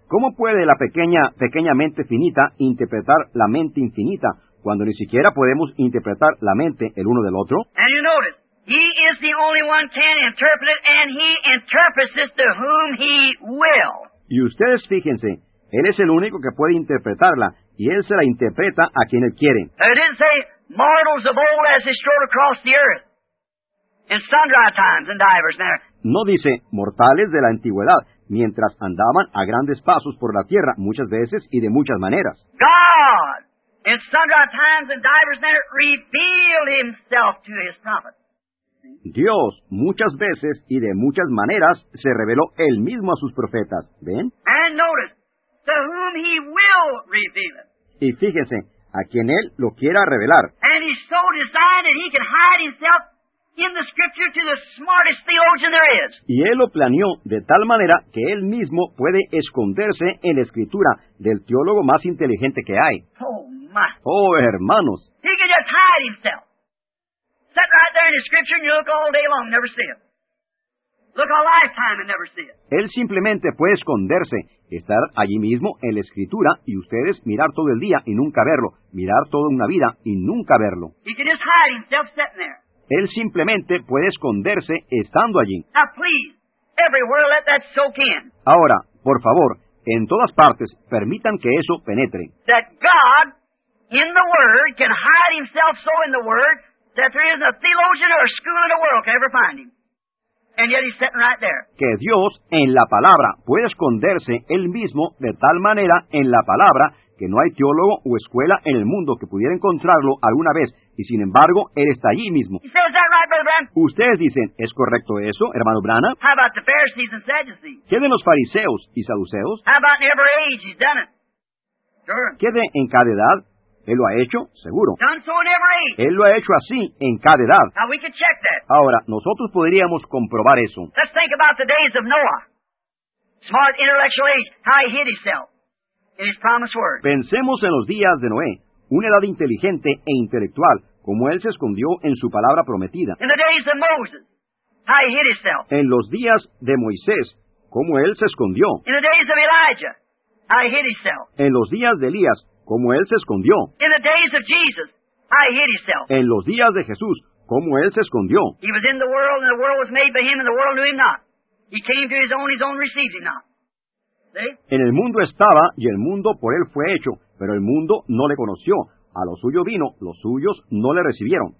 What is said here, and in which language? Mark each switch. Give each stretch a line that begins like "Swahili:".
Spanish: ¿Cómo puede la pequeña mente finita interpretar la mente infinita cuando ni siquiera podemos interpretar la mente el uno del otro?
English: And you notice, He is the only one can interpret it, and He interprets it to whom He will.
Spanish: Y ustedes fíjense, Él es el único que puede interpretarla, y Él se la interpreta a quien Él quiere.
English: It didn't say mortals of old as they strode across the earth in sundry times and divers manner.
Spanish: No dice mortales de la antigüedad, mientras andaban a grandes pasos por la tierra muchas veces y de muchas maneras.
English: God, in sundry times and divers manner, revealed Himself to His prophet.
Spanish: Dios, muchas veces y de muchas maneras, se reveló Él mismo a sus profetas. ¿Ven?
English: And notice, to whom He will reveal it.
Spanish: Y fíjense, a quien Él lo quiera revelar.
English: And He's so designed that He can hide Himself in the Scripture to the smartest theologian there is.
Spanish: Y Él lo planeó de tal manera que Él mismo puede esconderse en la Escritura del teólogo más inteligente que hay.
English: Oh, my.
Spanish: Oh, hermanos.
English: He can just hide Himself. Sit right there in the Scripture and you look all day long, never see it. Look a lifetime and never see it.
Spanish: Él simplemente puede esconderse, estar allí mismo en la Escritura y ustedes mirar todo el día y nunca verlo, mirar toda una vida y nunca verlo.
English: He can just hide Himself sitting there.
Spanish: Él simplemente puede esconderse estando allí.
English: Now please, everywhere let that soak in.
Spanish: Ahora, por favor, en todas partes, permitan que eso penetre.
English: That God, in the Word, can hide Himself so in the Word, that there isn't a theologian or a school in the world can ever find Him. And yet He's sitting right there.
Spanish: Que Dios, en la palabra, puede esconderse Él mismo de tal manera en la palabra que no hay teólogo o escuela en el mundo que pudiera encontrarlo alguna vez. Y sin embargo, Él está allí mismo.
English: He said, is that right, Brother Branham?
Spanish: Ustedes dicen, ¿es correcto eso, hermano Branham?
English: How about the Pharisees and Sadducees?
Spanish: ¿Qué de los fariseos y saduceos?
English: How about in every age He's done it? Sure.
Spanish: ¿Qué de en cada edad? Él lo ha hecho, seguro.
English: Done so in every age.
Spanish: Él lo ha hecho así en cada edad.
English: Now we can check that.
Spanish: Ahora, nosotros podríamos comprobar eso.
English: Let's think about the days of Noah. Smart intellectual age, how he hid himself in his promised word.
Spanish: Pensemos en los días de Noé, una edad inteligente e intelectual, como él se escondió en su palabra prometida.
English: In the days of Moses, how he hid himself.
Spanish: En los días de Moisés, como él se escondió.
English: In the days of Elijah, how he hid himself.
Spanish: En los días de Elías, como él se escondió.
English: In the days of Jesus, How he hid himself.
Spanish: En los días de Jesús, cómo él se escondió.
English: He was in the world, and the world was made by him, and the world knew him not. He came to his own received him not. See?
Spanish: En el mundo estaba, y el mundo por él fue hecho, pero el mundo no le conoció. A lo suyo vino, los suyos no le recibieron.